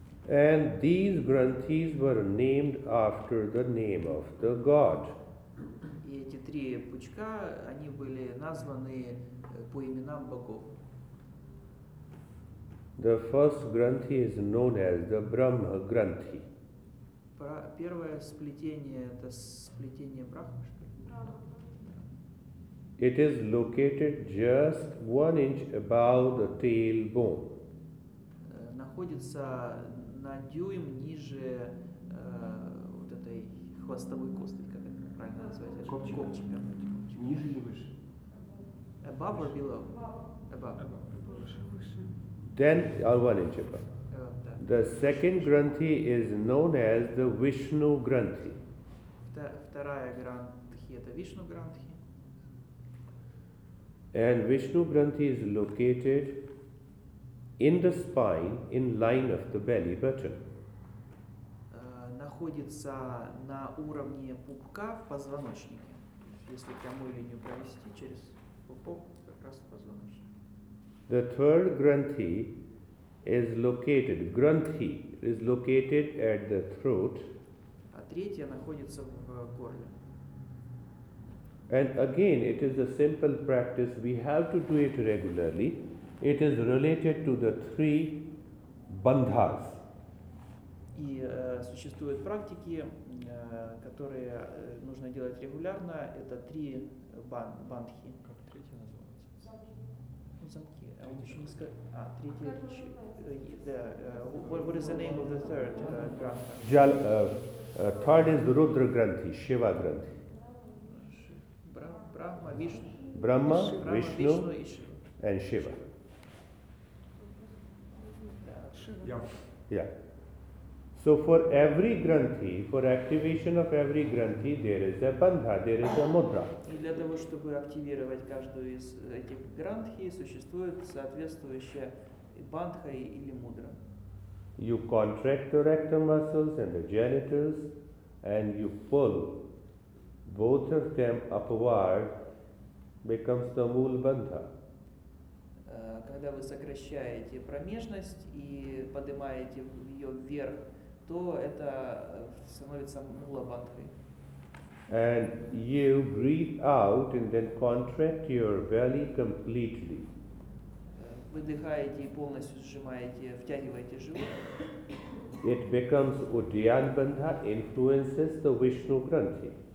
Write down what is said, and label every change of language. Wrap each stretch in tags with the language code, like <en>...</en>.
<en>And these granthis were named after the name of the god.</en> <ru>И эти три пучка, они были названы по именам богов.</ru> <en>The first granthi is known as the Brahma granthi.</en> <ru>Первое сплетение – это сплетение Брахмы, что ли?</ru> <en>It is located just 1 inch above the tailbone.</en> <ru>Находится на дюйм ниже вот этой хвостовой кости, как это правильно называется? Копчика. Ниже или выше?</ru> <en>Above or below? Above.</en> <ru>Выше.</ru> <en>Then, 1 inch above.</en> <ru>Да.</ru> <en>The second granthi is known as the Vishnu granthi.</en> <ru>Вторая гранхи – это Вишну гранхи.</ru> <en>And Vishnu Granthi is located in the spine, in line of the belly button.</en> <ru>Находится на уровне пупка в позвоночнике. Если прямую линию провести через пупок, как раз в позвоночник.</ru> <en>The third Granthi is located, at the throat.</en> <ru>А третья находится в горле.</ru> <en>And again, it is a simple practice. We have to do it regularly. It is related to the three bandhas.</en> <ru>И существуют практики, которые нужно делать регулярно. Это три бандхи. Как третья называется? Замки. Замки. А вот еще несколько. А, третья.</ru> <en>What is the name of the third grantha? Third is Rudra Granthi, Shiva Granthi. Brahma, Vishnu, and Shiva. Yeah. Yeah. So for every granthi, for activation of every granthi, there is a bandha, there is a mudra.</en> <ru>И для того, чтобы активировать каждую из этих гранхи, существует соответствующая бандха или мудра.</ru> <en>You contract the rectum muscles and the genitals, and you pull both of them upward. Becomes the mool bandha.</en> <ru>Когда вы сокращаете промежность и поднимаете ее вверх, то это становится мула бандхой.</ru> <en>And you breathe out and then contract your belly completely.</en> <ru>Вы вдыхаете и полностью сжимаете, втягиваете живот.</ru> <en>It becomes Uddiyana bandha, influences the Vishnu granthi.</en>